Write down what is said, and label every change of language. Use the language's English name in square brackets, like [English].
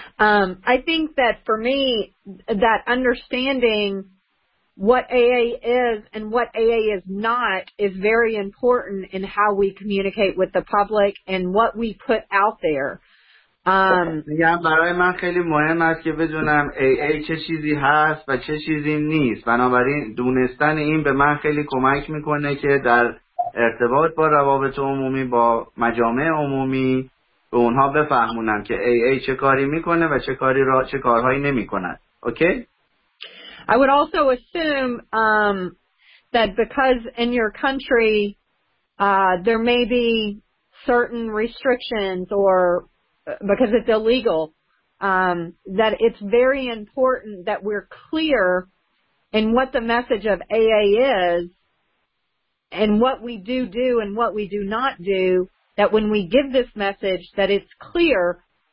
[English] I think that for me, that understanding what AA is and what AA is not is very important in how we communicate with the public and what we put out there. [Persian] میگم برای من خیلی مهم است که بدونم AA چه چیزی هست و چه چیزی نیست. بنابراین دونستن این به من خیلی کمک میکنه که در ارتباط با روابط عمومی با مجامع عمومی به اونها بفهمونم که AA چه کاری میکنه و چه کارهایی نمیکنه. اوکی؟ [English] I would also assume that because in your country there may be certain restrictions or because it's illegal, that it's very important that we're clear in what the message of AA is and what we do and what we do not do, that when we give this message that it's clear.